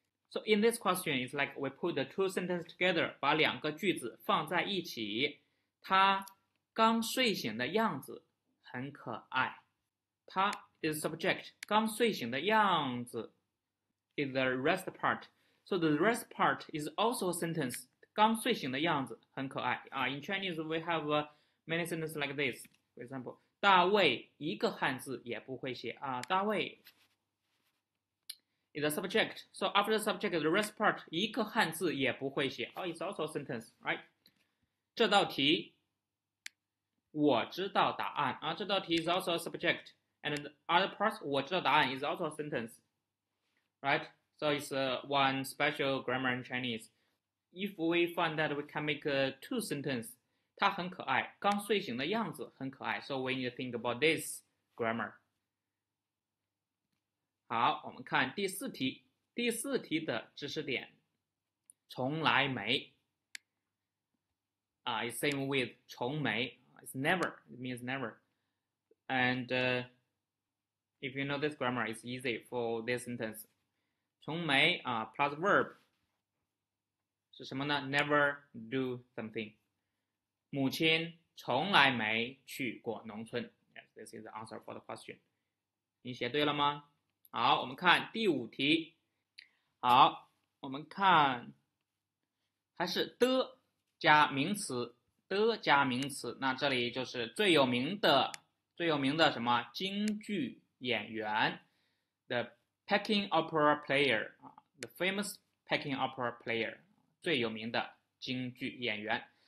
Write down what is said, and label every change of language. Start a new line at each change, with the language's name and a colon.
English: So in this question, it's like we put the two sentences together，
Chinese: 把两个句子放在一起。他刚睡醒的样子很可爱，他。
English: Is subject
Chinese: 刚睡醒的样子
English: is the rest part. So the rest part is also a sentence.
Chinese: 刚睡醒的样子很可爱啊。
English: In Chinese, we have many sentences like this. For example,
Chinese: 大卫一个汉字也不会写啊。
English: 大卫 is a subject. So after the subject, the rest part
Chinese: 一个汉字也不会写啊。
English: It's also a sentence, right?
Chinese: 这道题我知道答案啊。这道题
English: is also a subject. And the other part,
Chinese: 我知道答案
English: is also a sentence, right? So it's one special grammar in Chinese. If we find that we can make two sentences,
Chinese: 他很可爱，刚睡醒的样子很可爱。
English: So we need to think about this grammar.
Chinese: 好，我们看第四题。第四题的知识点，从来没。
English: It's same with
Chinese: 从没。
English: It's never. It means never. And If you know this grammar, it's easy for this sentence.
Chinese: 从没啊
English: plus verb
Chinese: 是什么呢
English: ？Never do something.
Chinese: 母亲从来没去过农村。
English: Yes, this is the answer for the question.
Chinese: 你写对了吗？好，我们看第五题。好，我们看还是的加名词，的加名词。那这里就是最有名的什么京剧。演员
English: ，the Peking opera player 啊 ，the famous Peking opera player，
Chinese: 最有名的京剧演员。